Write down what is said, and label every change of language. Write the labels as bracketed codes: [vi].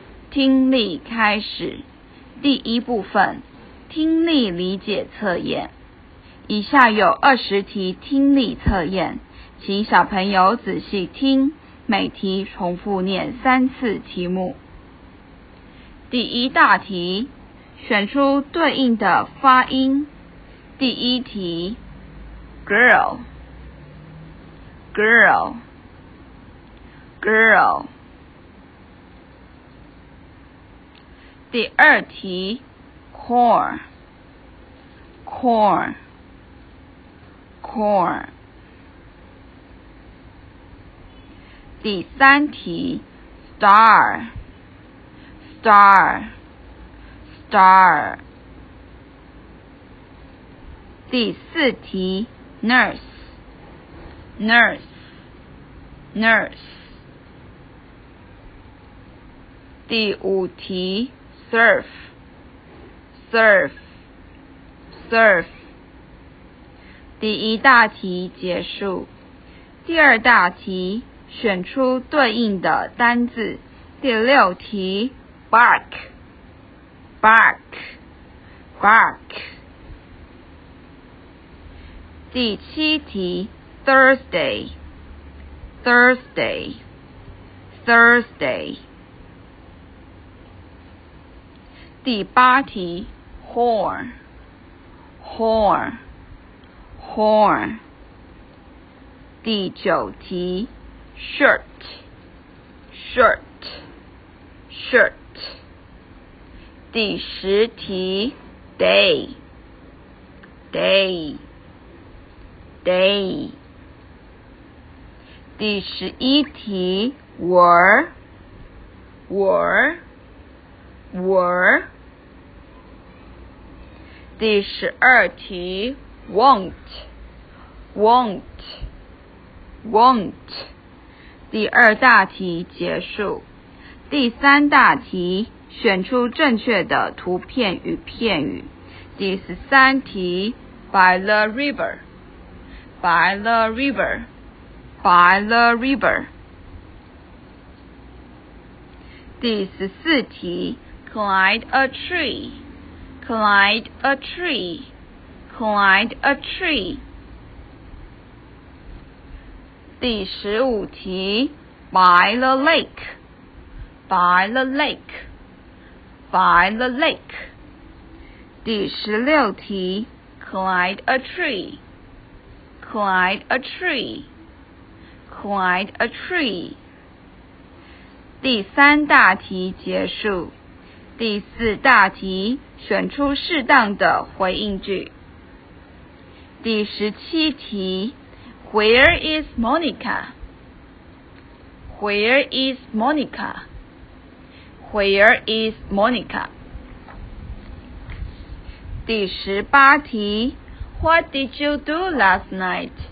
[zh] 听力开始，第一部分，听力理解测验。以下有20题听力测验，请小朋友仔细听，每题重复念三次题目。第一大题，选出对应的发音。第一题 [en] ，girl， girl， girl。 [zh] 第二题 [en] ，core， core， core。 [zh] 第三题 [en] ，star， star， star。 [zh] 第四题 [en] ，nurse， nurse， nurse。 [zh] 第五题 [en] ，surf， surf， surf。 [zh] 第一大题结束，第二大题选出对应的单字。第六题 [en] ，bark， bark， bark。 [zh] 第七题 [en] ，Thursday， Thursday， Thursday。 [zh] 第八题 [en] ，whore， whore， whore。 [zh] 第九题 [en] ，shirt， shirt， shirt。 [zh] 第十题 [en] ，day， day。day。 [zh] 第十一题 [en] were were were。 [zh] 第十二题 [en] won't won't won't。 [zh] 第二大题结束，第三大题选出正确的图片与片语。第十三题 [en] by the riverby the river, by the river。 [zh] 第十四题 [en] climb a tree, climb a tree, climb a tree。 [zh] 第十五题 [en] by the lake, by the lake, by the lake。 [zh] 第十六题 [en] climb a treeclimb a tree, climb a tree。 [zh] 第三大题结束，第四大题选出适当的回应句。第十七题 [en] Where is Monica? Where is Monica? Where is Monica? [zh] 第十八题， [en] What did you do last night?